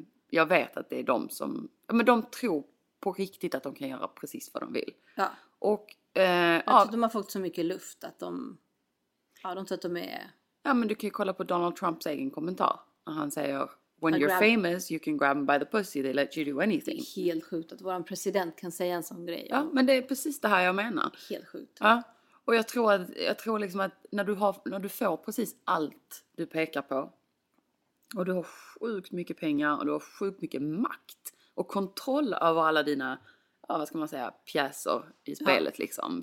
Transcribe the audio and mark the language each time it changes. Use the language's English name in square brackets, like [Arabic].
[Swedish] Jag vet att det är de som... Men de tror på riktigt att de kan göra precis vad de vill. Ja. Och, jag tror att de har fått så mycket luft att de... Ja, de tror att de är... Ja, men du kan ju kolla på Donald Trumps egen kommentar. När han säger... [English] When you're famous, you can grab them by the pussy. They let you do anything. [Swedish] Det är helt sjukt att vår president kan säga en sån grej. Ja, men det är precis det här jag menar. Helt sjukt. Ja. Och jag tror liksom att när du får precis allt du pekar på... Och du har sjukt mycket pengar och du har sjukt mycket makt och kontroll över alla dina, vad ska man säga, pjäser i spelet liksom.